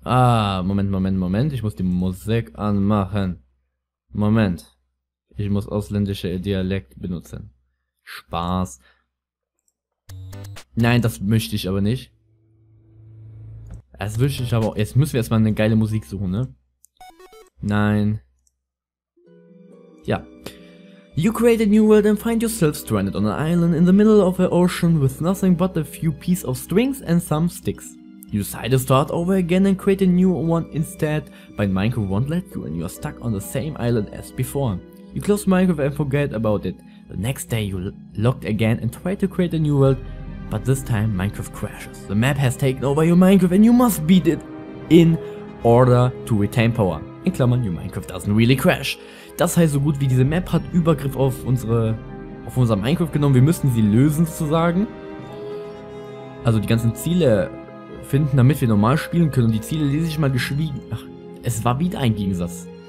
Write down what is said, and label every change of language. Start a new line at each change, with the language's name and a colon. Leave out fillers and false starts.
German: Ah, Moment, Moment, Moment. Ich muss die Musik anmachen. Moment. Ich muss ausländische Dialekt benutzen. Spaß. Nein, das möchte ich aber nicht. Das möchte ich aber auch. Jetzt müssen wir erstmal eine geile Musik suchen, ne? Nein. Ja.
English: You create a new world and find yourself stranded on an island in the middle of an ocean with nothing but a few pieces of strings and some sticks. You decide to start over again and create a new one instead, but Minecraft won't let you and you are stuck on the same island as before. You close Minecraft and forget about it. The next day you logged again and tried to create a new world, but this time Minecraft crashes. The map has taken over your Minecraft and you must beat it in order to retain power.
German: In Klammern,
English: your Minecraft doesn't really crash.
German: Das heißt, so gut wie diese Map hat Übergriff auf unser Minecraft genommen, wir müssen sie lösen sozusagen. Also die ganzen Ziele finden, damit wir normal spielen können. Und die Ziele lese ich mal geschwiegen. Ach, es war wieder ein Gegensatz.